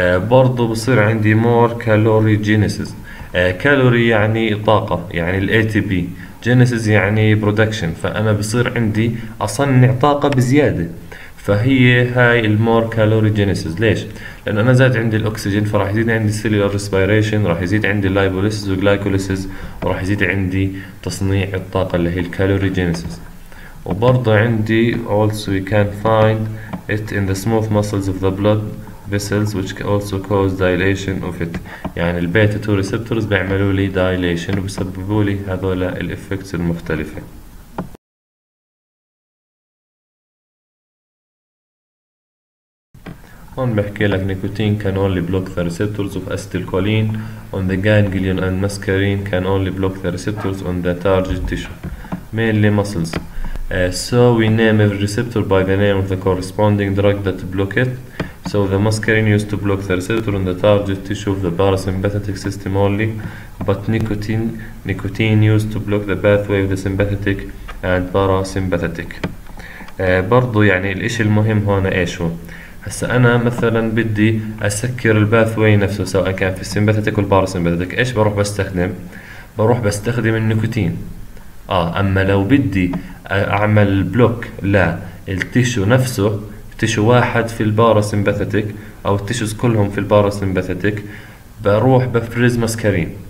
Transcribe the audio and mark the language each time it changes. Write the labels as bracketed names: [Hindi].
[Arabic] برضو بصير عندي مور كالوري جينيسيس. كالوري يعني طاقه، يعني الاي تي بي، جينيسيس يعني برودكشن، فانا بصير عندي اصنع طاقه بزياده، فهي هاي المور كالوري جينيسيس. ليش؟ لان انا زاد عندي الاكسجين فراح يزيد عندي سيلولار ريسبيريشن، راح يزيد عندي لايبوليسيس وجلايكوليسيس، وراح يزيد عندي تصنيع الطاقه اللي هي الكالوري جينيسيس. وبرضه عندي [English] also we can find it in the smooth muscles of the blood vessels which also cause dilation of it. [Arabic] يعني البيتا 2 ريسبتورز بيعملوا لي دايليشن وبسببوا لي هذول الافكتس المختلفه. هون بحكي لك [English] Nicotine can only block the receptors of acetylcholine on the ganglion and muscarine can only block the receptors on the target tissue mainly muscles. So we name every receptor by the name of the corresponding drug that block it. So the muscarine used to block the receptor on the target tissue of the parasympathetic system only, but nicotine used to block the pathway of the sympathetic and parasympathetic. [Arabic] برضو يعني الاشي المهم هون ايش هو؟ هسا انا مثلا بدي اسكر الباثوي نفسه سواء كان في السيمباثيتك والباراسيمباثيتك، ايش بروح بستخدم؟ بروح بستخدم النيكوتين. اما لو بدي اعمل بلوك للتيشو نفسه، تيشو واحد في الباراسيمباثيتك او التيشوز كلهم في الباراسيمباثيتك، بروح بفرز ماسكارين.